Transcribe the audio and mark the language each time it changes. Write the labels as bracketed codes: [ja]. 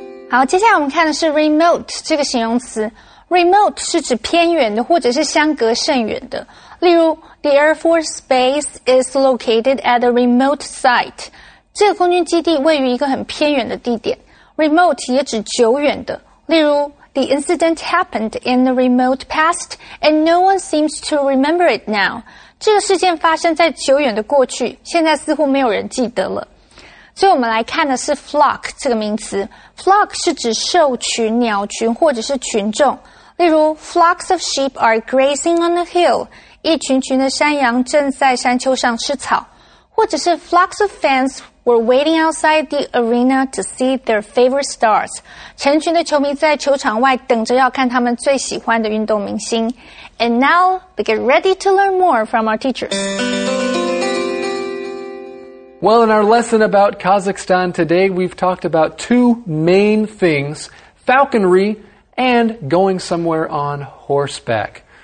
[zh] 好，接下来我们看的是 remote 这个形容词。Remote 是指偏远的或者是相隔甚远的。例如 [en] ,The Air Force Base is located at a remote site. [zh] 这个空军基地位于一个很偏远的地点。Remote 也指久远的。例如 [en] ,The incident happened in the remote past and no one seems to remember it now. [zh] 这个事件发生在久远的过去，现在似乎没有人记得了。所以我们来看的是 flock 这个名词。Flock 是指兽群、鸟群或者是群众。例如 [en] ,flocks of sheep are grazing on a hill. [zh] 一群群的山羊正在山丘上吃草。或者是 [en] ,flocks of fans were waiting outside the arena to see their favorite stars. [zh] 成群的球迷在球场外等着要看他们最喜欢的运动明星。 [en] And now, we get ready to learn more from our teachers. Well, in our lesson about Kazakhstan today, we've talked about two main things, falconry and going somewhere on horseback.